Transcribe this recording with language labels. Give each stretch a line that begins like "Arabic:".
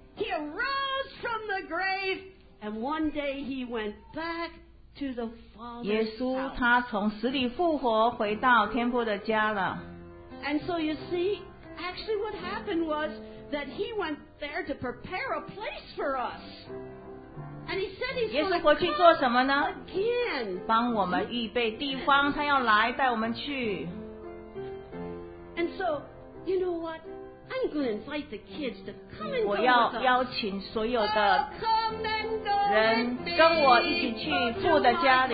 English: He arose from the grave, and one day he went back to the Father's
Chinese: 耶稣他从死里复活，回到天父的家了。
English: And so you see, actually what happened was that he went there to prepare a place for us. And he said he's going to come again.
Chinese: 帮我们预备地方，他要来带我们去。
English: And so, you know what? I'm going to invite the kids to come and go with us.
Chinese: 我要邀请所有的人跟我一起去父的家里。